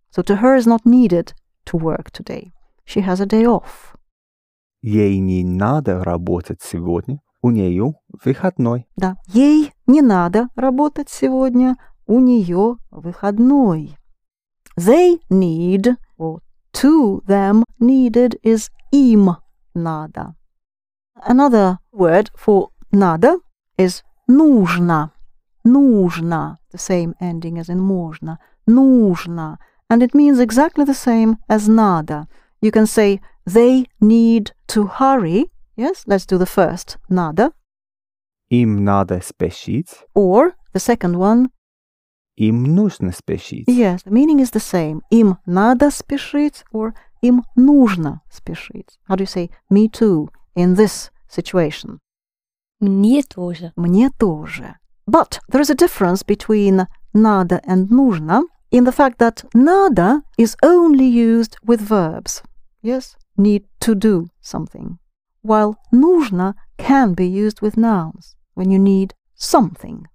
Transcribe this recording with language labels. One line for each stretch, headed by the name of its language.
English: So to her is not needed to work today. She has a day off.
Russian: Ей не надо работать сегодня. У нее выходной. Да. Ей не надо работать сегодня. У нее выходной.
English: They need, or to them needed, is им надо. Another word for надо is нужно. Нужно. The same ending as in можно. Нужно. And it means exactly the same as надо. You can say they need to hurry. Yes, let's do the first. Надо.
Russian: Им надо спешить.
English: Or the second one.
Russian: Им нужно спешить.
English: Yes, the meaning is the same.
Russian: Им надо спешить or им нужно спешить.
English: How do you say me too in this situation?
Russian: Мне тоже. Мне тоже.
English: But there is a difference between надо and нужно in the fact that надо is only used with verbs. Yes, need to do something. While нужно can be used with nouns, when you need something.